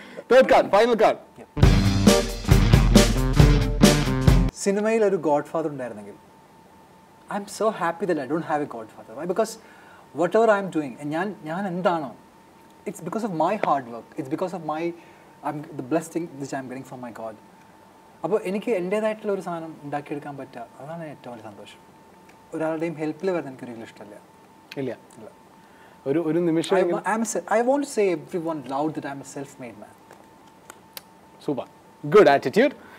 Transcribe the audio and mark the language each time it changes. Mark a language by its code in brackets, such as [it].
[en] Third card, final card. [ml] സിനിമയിൽ ഒരു God father ഉണ്ടായിരുന്നെങ്കിൽ, [en] I am so happy that I don't have a godfather. Why? Because whatever I am doing, [ml] ഞാൻ എന്താണോ, [en] It's because of my hard work, it's because of my the blessing which I'm getting from my God. [ml] അപ്പോൾ എനിക്ക് എൻ്റേതായിട്ടുള്ള ഒരു സാധനം ഉണ്ടാക്കിയെടുക്കാൻ പറ്റുക, അതാണ് ഏറ്റവും വലിയ സന്തോഷം. ഒരാളുടെയും ഹെൽപ്പിൽ വരുന്ന എനിക്ക് ഒരിക്കലും ഇഷ്ടമല്ല. ഇല്ല ഇല്ല ഒരു ഒരു നിമിഷം [en] I want to say everyone love that I am a self made man. Super good attitude.